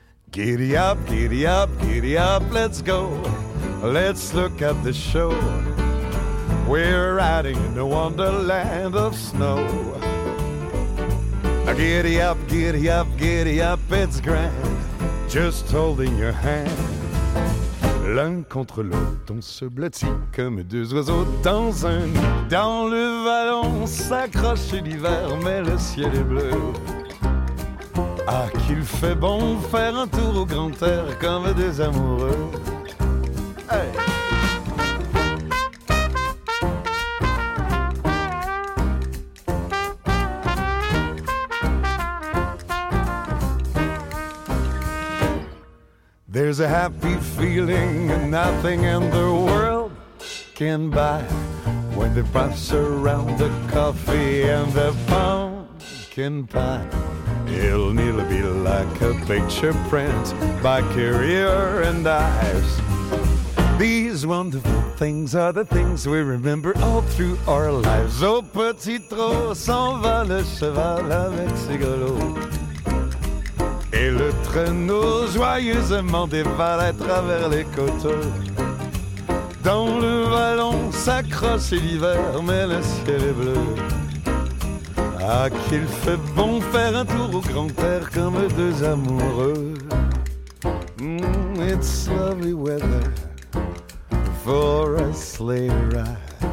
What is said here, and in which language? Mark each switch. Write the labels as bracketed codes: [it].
[en] Giddy up, giddy up, giddy up, let's go. Let's look at the show. We're riding in a wonderland of snow. Giddy up, giddy up, giddy up, it's grand. Just holding your hand. [fr] L'un contre l'autre, on se blottit comme deux oiseaux dans un nid. Dans le vallon, s'accroche l'hiver, mais le ciel est bleu. Ah, qu'il fait bon faire un tour au grand air comme des amoureux. Hey. [en] There's a happy feeling nothing in the world can buy. When the pops around the coffee and the pumpkin pie, it'll nearly be like a picture print by Carrier and Ives. These wonderful things are the things we remember all through our lives. [fr] Au petit trot, s'en va le cheval avec ses galops. Et le traîneau joyeusement dévalait travers les coteaux. Dans le vallon s'accroche l'hiver, mais le ciel est bleu. Ah, qu'il fait bon faire un tour au grand air comme deux amoureux. [en] It's lovely weather for a sleigh ride.